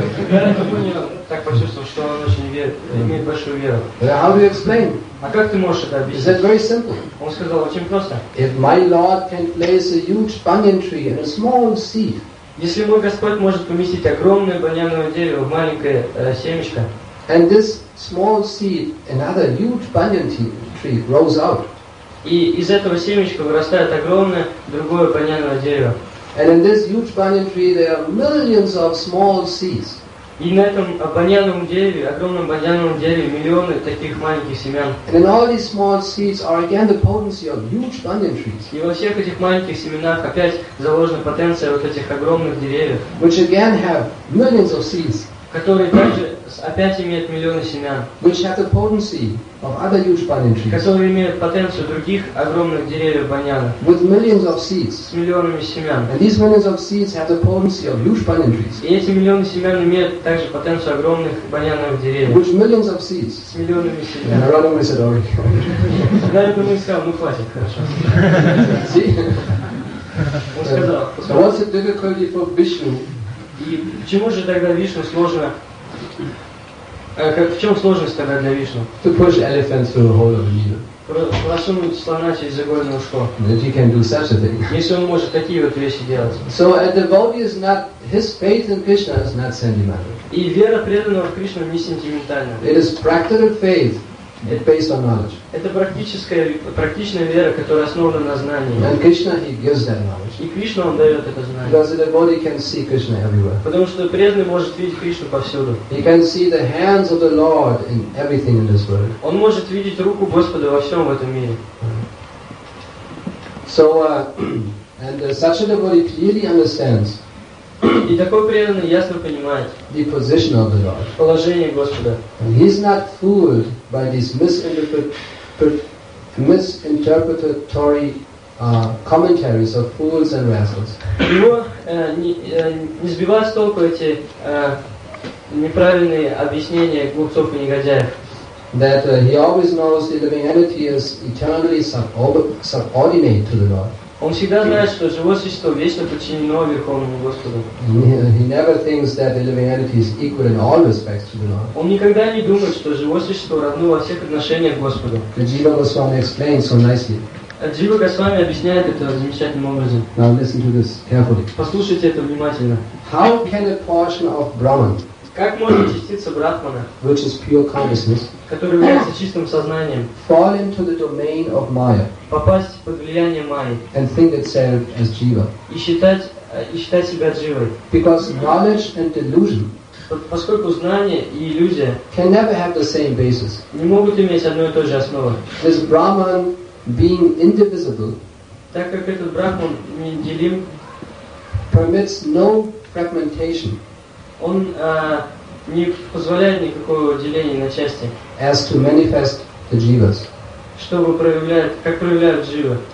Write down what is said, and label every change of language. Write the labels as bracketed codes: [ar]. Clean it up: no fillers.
[ru] Narada Muni так почувствовал, что он очень верит, имеет большую веру. [en] How do you explain? [ru] А как ты можешь это объяснить? [en] He said very simple. [ru] Он сказал очень просто. [en] If my Lord can place a huge banyan tree in a small seed. [ru] Если мой Господь может поместить огромное баньяновое дерево в маленькое семечко. [en] And this small seed, another huge banyan tree grows out. [ru] И из этого семечка вырастает огромное другое баньяновое дерево. [en] And in this huge banyan tree there are millions of small seeds. [ru] И на этом баньяновом дереве, огромном баньяновом дереве, миллионы таких маленьких семян. [en] And in all these small seeds are again the potency of huge banyan trees. [ru] И во всех этих маленьких семенах опять заложена потенция вот этих огромных деревьев. [en] Which again have millions of seeds. [ru] Которые также опять имеют миллионы семян. [en] Which have the potency of other huge banyan trees. [ru] Которые имеют потенцию других огромных деревьев баньяна. [en] With millions of seeds. [ru] С миллионами семян. [en] And these millions of seeds have the potency of huge banyan trees. [ru] И эти миллионы семян имеют также потенцию огромных баньяновых деревьев. [en] Which millions of seeds. [ru] С миллионами семян. [en] And Radha Muni said, "Okay." [ru] Radha Muni сказал, ну хватит, хорошо. [en] See? What's the difficulty for Vishnu? [ru] И почему же тогда Вишну сложно? В чем сложность тогда для Вишну? [en] To push elephants through a hole of a needle. [ru] Просунуть слона через игольное ушко. [en] That he can do such a thing. [ru] Если он может такие вот вещи делать. [en] So a devotee is not his faith in Krishna is not sentimental. [ru] И вера преданного в Кришну не сентиментальна. [en] It is practical faith. It's based on knowledge. [ru] Это практичная вера, которая основана на знании. [en] And Krishna, he gives that knowledge. [ru] И Кришна он дает это знание. [en] Because the devotee can see Krishna everywhere. [ru] Потому что преданный может видеть Кришну повсюду. [en] He can see the hands of the Lord in everything in this world. [ru] Он может видеть руку Господа во всем в этом мире. [en] So and such a devotee clearly understands. [ru] И такой преданный ясно понимает [en] the position of the Lord. [ru] Положение Господа. [en] And he's not fooled by these misinterpretatory commentaries of fools and rascals. [ru] Его не сбивают с толку эти неправильные объяснения глупцов и негодяев. [en] That he always knows the living entity is eternally subordinate to the Lord. [ru] Он всегда знает, что живое существо вечно подчинено Верховному Господу. [en] He never thinks that the living entity is equal in all respects to the Lord. [ru] Он никогда не думает, что живое существо равно во всех отношениях Господу. [en] Jiva Goswami explains so nicely. [ru] Jiva Goswami объясняет это замечательным образом. [en] Now listen to this carefully. [ru] Послушайте это внимательно. [en] How can a portion of Brahman, [ru] как может частица Брахмана, [en] which is pure consciousness, [ru] которая является чистым сознанием, [en] fall into the domain of Maya, [ru] попасть под влияние Майи, [en] and think itself as Jiva, [ru] и считать себя Дживой? [en] Because knowledge and delusion, [ru] поскольку знание и иллюзия, [en] can never have the same basis, [ru] не могут иметь одной и той же основы. [en] This Brahman being indivisible, [ru] так как этот Брахман неделим, [en] permits no fragmentation. [ru] Он не позволяет никакого деления на части. [en] As to manifest the jivas. [ru] Чтобы проявлять, как проявляют дживы.